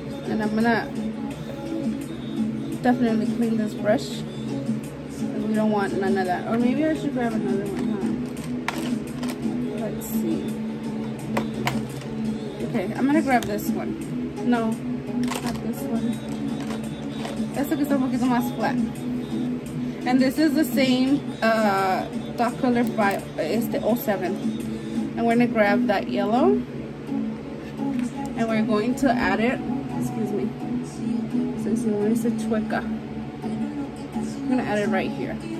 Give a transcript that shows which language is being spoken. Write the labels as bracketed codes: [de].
[en] And I'm gonna definitely clean this brush. And we don't want none of that. Or maybe I should grab another one, huh? Let's see. Okay, I'm gonna grab this one. No, not this one. [es] Este que está un poquito más flat. [en] And this is the same dot color by, it's the 07. And we're gonna grab that yellow. And we're going to add it, excuse me, since you want to say chueca. I'm gonna add it right here.